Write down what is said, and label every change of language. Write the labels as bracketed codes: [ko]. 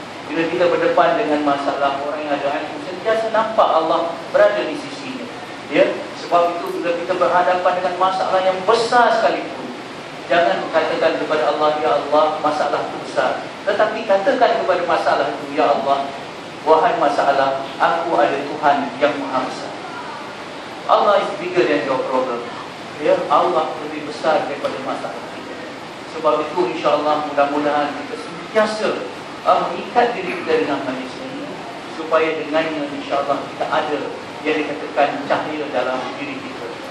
[ms] Bila kita berdepan dengan masalah, orang yang ada hati sentiasa nampak Allah berada di sisinya, ya. Sebab itu bila kita berhadapan dengan masalah yang besar sekalipun, jangan mengatakan kepada Allah, ya Allah, masalah itu besar. Tetapi katakan kepada masalah itu, ya Allah, wahai masalah, aku ada Tuhan yang maha besar. [en] Allah is bigger than your problem. [ms] Ya, Allah lebih besar daripada masalah kita. Sebab itu, insyaAllah, mudah-mudahan kita sentiasa mengikat diri kita dengan manis ini, supaya dengannya, insyaAllah, kita ada yang dikatakan cahaya dalam diri kita.